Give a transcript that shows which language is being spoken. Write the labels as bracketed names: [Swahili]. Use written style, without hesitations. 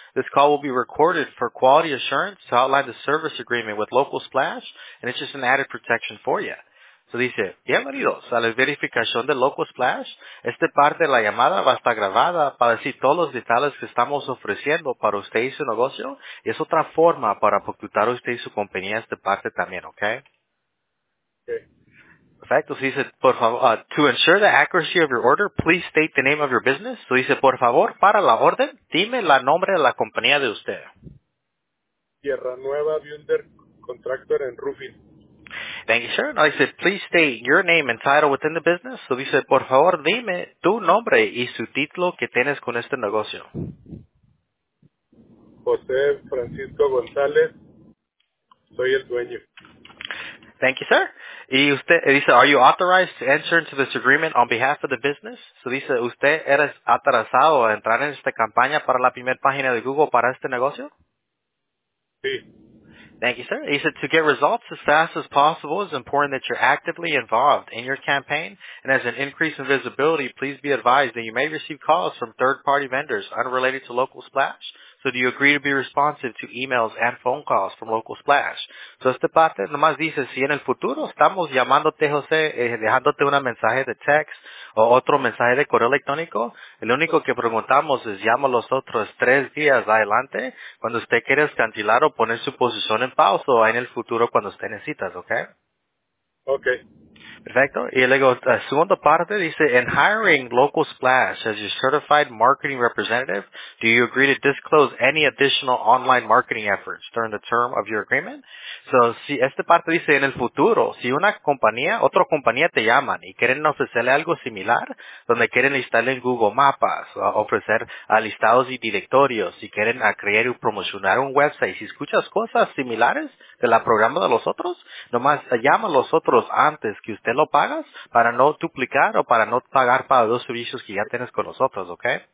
[English] This call will be recorded for quality assurance to outline the service agreement with Local Splash, and it's just an added protection for you. [Spanish] So dice, bienvenidos a la verificación de Local Splash. Esta parte de la llamada va a estar grabada para decir todos los detalles que estamos ofreciendo para usted y su negocio. Y es otra forma para facturar usted y su compañía esta parte también, ¿ok? Okay. Perfecto. [English] So [Spanish] dice, por favor, [English] to ensure the accuracy of your order, please state the name of your business. [Spanish] So dice, por favor, para la orden, dime el nombre de la compañía de usted. Tierra Nueva Bunder Contractor en Roofing. [English] Thank you, sir. [Spanish] No, dice, [English] please state your name and title within the business. [Spanish] So dice, por favor, dime tu nombre y su título que tienes con este negocio. José Francisco González. Soy el dueño. [English] Thank you, sir. [Spanish] Y usted, dice, [English] are you authorized to enter into this agreement on behalf of the business? [Spanish] So dice, ¿usted eres autorizado a entrar en esta campaña para la primera página de Google para este negocio? Sí. [English] Thank you, sir. He said, to get results as fast as possible, it's important that you're actively involved in your campaign. And as an increase in visibility, please be advised that you may receive calls from third-party vendors unrelated to Local Splash. So do you agree to be responsive to emails and phone calls from Local Splash? [Spanish] So esta parte nomás dice, si en el futuro estamos llamándote, José, dejándote un mensaje de text o otro mensaje de correo electrónico, el único que preguntamos es, llama los otros 3 días adelante cuando usted quiera cancelar o poner su posición en pausa o en el futuro cuando usted necesitas, ¿ok? Ok. Perfecto. Y luego, la segunda parte dice, [English] in hiring Local Splash as your certified marketing representative, do you agree to disclose any additional online marketing efforts during the term of your agreement? [Spanish] So, si esta parte dice, en el futuro, si una compañía, otra compañía te llaman y quieren ofrecerle algo similar, donde quieren listarle en Google Maps, o ofrecer listados y directorios, si quieren crear o promocionar un website, si escuchas cosas similares de la programa de los otros, nomás llama a los otros antes que usted lo pagas para no duplicar o para no pagar para dos servicios que ya tienes con nosotros, ¿ok?